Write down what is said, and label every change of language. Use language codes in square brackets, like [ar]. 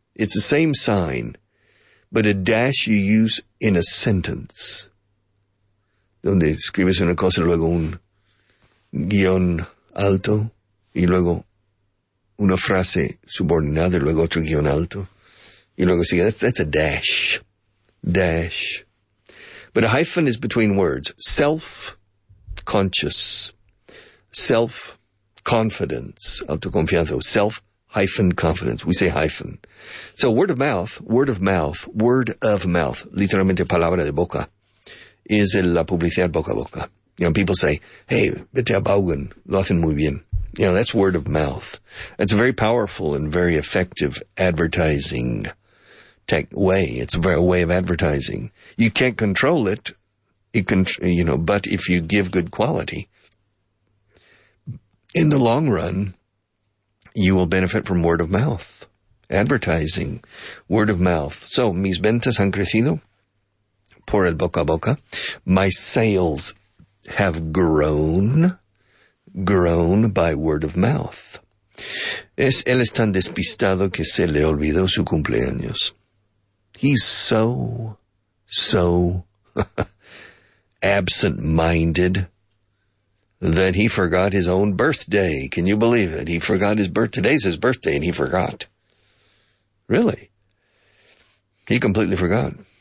[en] It's the same sign, but a dash you use in a sentence. [es] Donde escribes una cosa, luego un guion alto, y luego una frase subordinada, luego otro guion alto. [en] Y luego sigue. That's a dash. Dash. But a hyphen is between words. Self-conscious. Self-confidence. Autoconfianza. Self-confidence. We say hyphen. So word of mouth. Word of mouth. [es] Word of mouth. Literalmente palabra de boca. Is la publicidad boca a boca. You know, people say, hey, vete a Baugen. Lo hacen muy bien. [en] You know, that's word of mouth. It's a very powerful and very effective advertising tech way. It's a very way of advertising. You can't control it, but if you give good quality, in the long run, you will benefit from word of mouth. Advertising, word of mouth. [es] So, mis ventas han crecido por el boca a boca. [en] My sales have grown by word of mouth. [es] Él es tan despistado que se le olvidó su cumpleaños. [en] He's so absent-minded that he forgot his own birthday. Can you believe it? He forgot his birthday. Today's his birthday and he forgot. Really? He completely forgot.